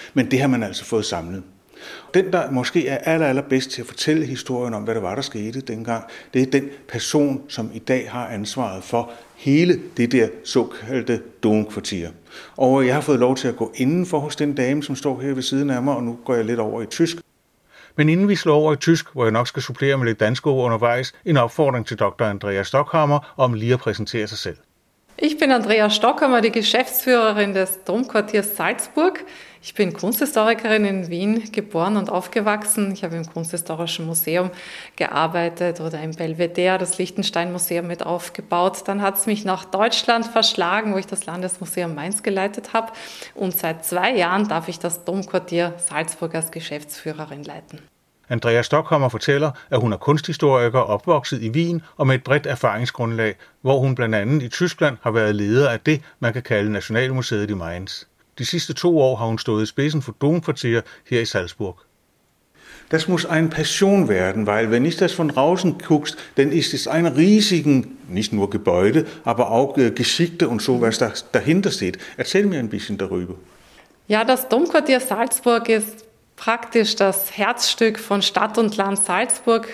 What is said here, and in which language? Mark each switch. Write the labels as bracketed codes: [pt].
[da] Men det har man altså fået samlet. Den, der måske er allerbedst til at fortælle historien om, hvad det var, der skete dengang, det er den person, som i dag har ansvaret for hele det der såkaldte domkvarter. Og jeg har fået lov til at gå indenfor hos den dame, som står her ved siden af mig, og nu går jeg lidt over i tysk. Men inden vi slår over i tysk, hvor jeg nok skal supplere med lidt danske ord undervejs, en opfordring til Dr. Andrea Stockhammer om lige at præsentere sig selv. [de] Ich bin Andrea Stockhammer, die Geschäftsführerin des Domkvarters Salzburg. Ich bin Kunsthistorikerin in Wien, geboren und aufgewachsen. Ich habe im Kunsthistorischen Museum gearbeitet oder im Belvedere, das Liechtenstein-Museum, mit aufgebaut. Dann hat es mich nach Deutschland verschlagen, wo ich das Landesmuseum Mainz geleitet habe. Und seit 2 Jahren darf ich das Domkvarter Salzburg als Geschäftsführerin leiten. [da] Andrea Stockhammer fortæller, at hun er kunsthistoriker opvokset i Wien og med et bredt erfaringsgrundlag, hvor hun blandt andet i Tyskland har været leder af det, man kan kalde Nationalmuseet i Mainz. De sidste 2 år har hun stået i spidsen for Domkvarter her i Salzburg. [de] Das muss ein Passion werden, weil wenn ich das von draußen guckst, dann ist es ein riesigen, nicht nur Gebäude, aber auch Geschichte und so was dahinter steht. Erzähl mir ein bisschen darüber. Ja, das Domkvarter Salzburg ist praktisch das Herzstück von Stadt und Land Salzburg.